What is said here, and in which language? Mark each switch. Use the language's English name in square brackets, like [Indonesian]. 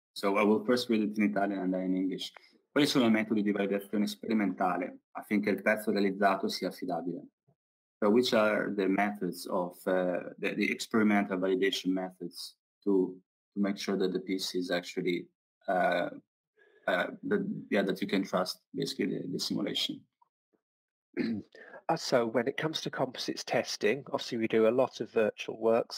[English] So I will first read it in Italian and then in English. [Italian] Quali sono i metodi di validazione sperimentale affinché il pezzo realizzato sia affidabile? [English] So which are the methods of the experimental validation methods to make sure that the piece is actually that you can trust basically the simulation? So when it comes to composites testing, obviously we do a lot of virtual work.